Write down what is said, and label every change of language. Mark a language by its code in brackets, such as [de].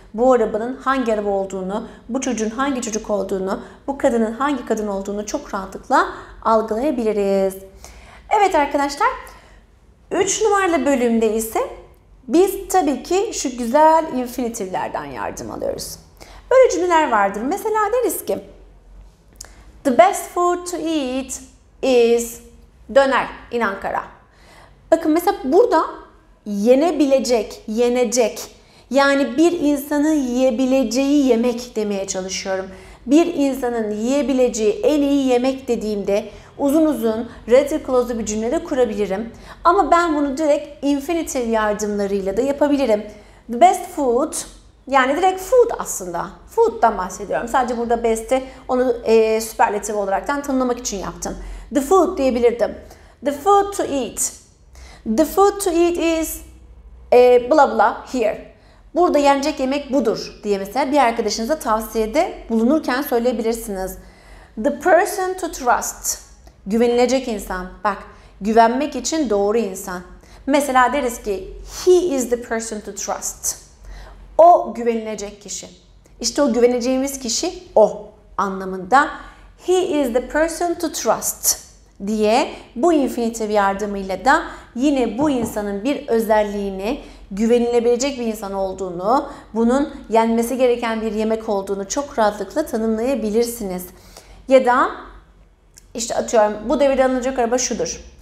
[tr] Bu arabanın hangi araba olduğunu, bu çocuğun hangi çocuk olduğunu, bu kadının hangi kadın olduğunu çok rahatlıkla algılayabiliriz. Evet arkadaşlar, 3 numaralı bölümde ise biz tabii ki şu güzel infinitivlerden yardım alıyoruz. Böyle cümleler vardır. Mesela deriz ki [en] "the best food to eat is döner in Ankara." [tr] Bakın mesela burada yenebilecek, yenecek. Yani bir insanın yiyebileceği yemek demeye çalışıyorum. Bir insanın yiyebileceği en iyi yemek dediğimde uzun uzun, rather clause'lu bir cümle de kurabilirim. Ama ben bunu direkt infinitive yardımlarıyla da yapabilirim. [en] "The best food," [tr] yani direkt food aslında. Food'dan bahsediyorum. Sadece burada best'i onu süperlatif olarak tanımlamak için yaptım. [en] "The food" [tr] diyebilirdim. [en] "The food to eat." "The food to eat is blah blah here." Burada yenecek yemek budur diye mesela bir arkadaşınıza tavsiyede bulunurken söyleyebilirsiniz. "The person to trust." [tr] Güvenilecek insan. Bak, güvenmek için doğru insan. Mesela deriz ki [en] "he is the person to trust." [tr] O güvenilecek kişi. İşte o güveneceğimiz kişi o anlamında. [en] "He is the person to trust." [tr] diye bu infinitive yardımıyla da yine bu insanın bir özelliğini, güvenilebilecek bir insan olduğunu, bunun yenmesi gereken bir yemek olduğunu çok rahatlıkla tanımlayabilirsiniz. Ya da işte atıyorum, "bu devirde alınacak araba şudur."